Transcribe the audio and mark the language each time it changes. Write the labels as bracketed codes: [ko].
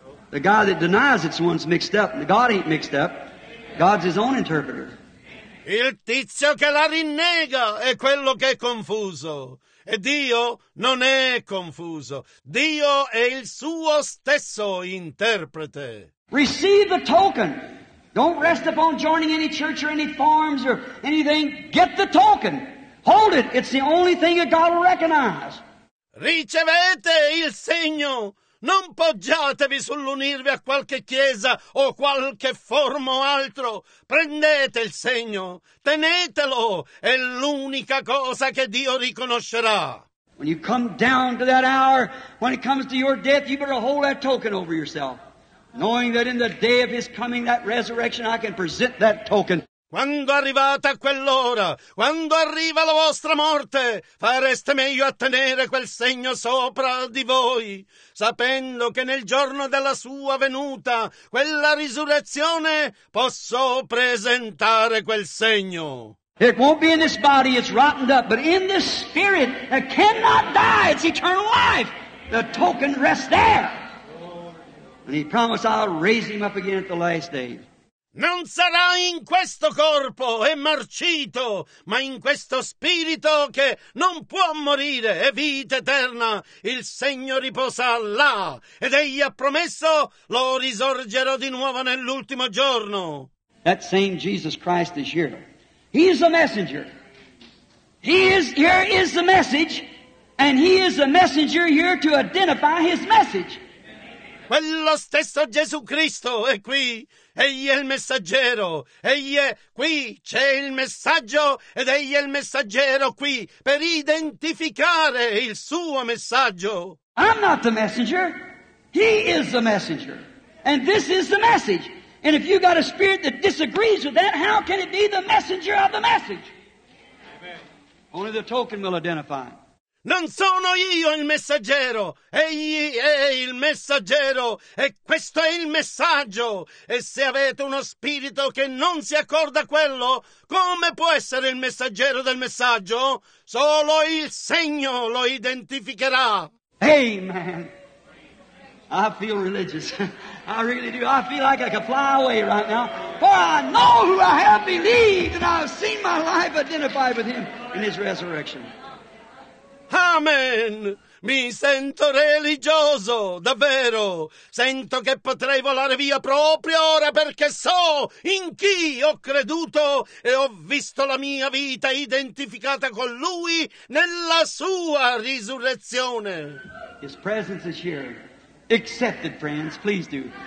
[en] The guy that denies it's one's mixed up. God ain't mixed up. God's his own interpreter. [it] Il tizio che la rinnega è quello che è confuso. E Dio non è confuso. Dio è il suo stesso interprete. [en] Receive the token. Don't rest upon joining any church or any farms or anything. Get the token. Hold it. It's the only thing that God will recognize. [it] Ricevete il segno. Non poggiatevi sull'unirvi a qualche chiesa o qualche forma o altro. Prendete il segno, tenetelo, è l'unica cosa che Dio riconoscerà. [en] When you come down to that hour, when it comes to your death, you better hold that token over yourself, knowing that in the day of his coming, that resurrection, I can present that token. [it] Quando arrivate a quell'ora, quando arriva la vostra morte, fareste meglio a tenere quel segno sopra di voi, sapendo che nel giorno della sua venuta, quella risurrezione, posso presentare quel segno. [en] It won't be in this body, it's rotten up, but in this spirit that cannot die, it's eternal life. The token rests there. And he promised I'll raise him up again at the last day. [it] Non sarà in questo corpo, è marcito, ma in questo spirito che non può morire, è vita eterna. Il segno riposa là, ed egli ha promesso, lo risorgerò di nuovo nell'ultimo giorno. [en] That same Jesus Christ is here. He is a messenger. He is, here is the message, and he is a messenger here to identify his message. [it] Quello stesso Gesù Cristo è qui, egli è il messaggero, egli è qui, c'è il messaggio ed egli è il messaggero qui per identificare il suo messaggio. [en] I'm not the messenger, he is the messenger, and this is the message. And if you got a spirit that disagrees with that, how can it be the messenger of the message? Amen. Only the token will identify. [it] Non sono io il messaggero, egli è il messaggero, e questo è il messaggio. E se avete uno spirito che non si accorda a quello, come può essere il messaggero del messaggio? Solo il segno lo identificherà. [en] Amen. I feel religious. I really do. I feel like I could fly away right now. For I know who I have believed, and I've seen my life identified with him in his resurrection. Amen! [it] Mi sento religioso, davvero! Sento che potrei volare via proprio ora perché so in chi ho creduto e ho visto la mia vita identificata con lui nella sua risurrezione. [en] His presence is here. Accept it, friends, please do.